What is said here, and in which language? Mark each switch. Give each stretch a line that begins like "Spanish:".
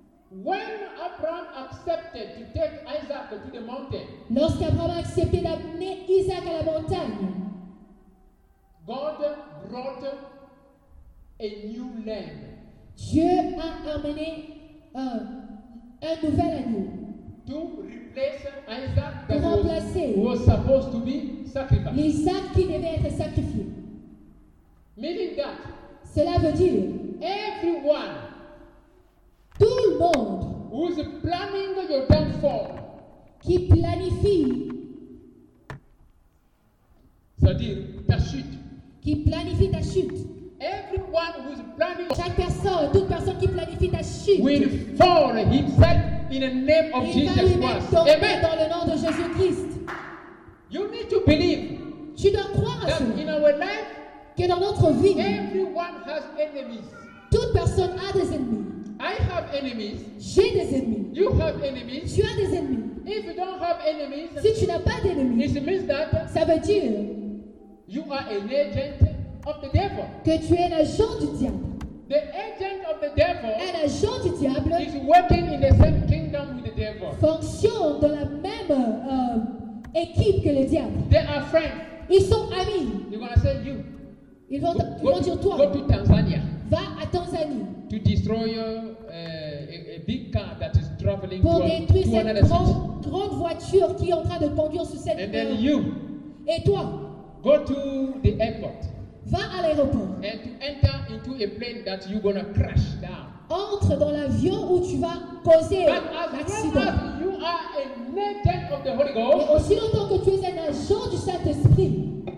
English: When Abraham accepted to take Isaac to the mountain.
French: Lorsqu'Abraham a accepté d'amener Isaac à la montagne.
English: God brought a new lamb.
French: Dieu a amené un nouvel agneau.
English: To replace Isaac that was supposed to be sacrificed.
French: L'Isaac qui devait être sacrifié.
English: Meaning that.
French: Cela veut dire.
English: Everyone.
French: Tout le monde.
English: Who is planning your downfall.
French: Qui planifie. C'est-à-dire ta chute. Qui planifie ta chute.
English: Everyone who is planning.
French: Chaque personne, toute personne qui planifie ta chute.
English: Will fall himself in the name of Jesus Christ.
French: Amen. Dans le nom de Jésus Christ.
English: You need to believe.
French: Tu dois croire
English: that in our life.
French: Que dans notre vie.
English: Everyone has enemies.
French: Toute personne a des ennemis.
English: I have enemies.
French: J'ai des ennemis.
English: You have enemies.
French: Tu as des ennemis.
English: If you don't have enemies.
French: Si tu n'as pas d'ennemis.
English: It means that.
French: Ça veut dire.
English: You are an agent of the devil.
French: Que tu es un agent du diable.
English: The agent of the devil.
French: Un agent du diable.
English: Is working in the same kingdom with the devil.
French: Fonctionne dans la même équipe que le diable.
English: They are friends.
French: Ils sont amis.
English: They're gonna say you.
French: Ils vont, vont dire toi.
English: Go to Tanzania.
French: Va à Tanzanie.
English: To destroy a big car that is traveling.
French: Pour détruire cette grande voiture qui est en train de conduire sur cette.
English: And then you.
French: Et toi.
English: Go to the airport.
French: Va à l'aéroport.
English: And to enter into a plane that you're gonna crash down.
French: Entre dans l'avion où tu vas causer l'accident.
English: You are an agent of the Holy Ghost.
French: Et aussi longtemps que tu es un agent du Saint-Esprit.